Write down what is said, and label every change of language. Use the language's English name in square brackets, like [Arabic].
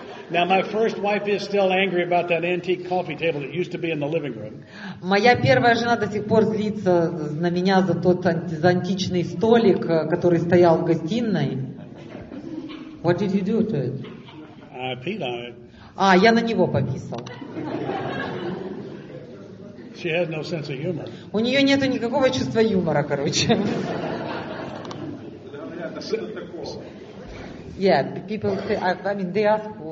[English] Now my first wife is still angry about that antique coffee table that used to be in the living room. [Russian] Моя первая жена до сих пор злится на меня за тот античный столик, который стоял в гостиной. [English] What did you do to it? I peed on it. [Russian] А, я на него пописал. [English] She has no sense of humor. [Russian] У нее нету никакого чувства юмора, короче. [English] Yeah, people say, they ask,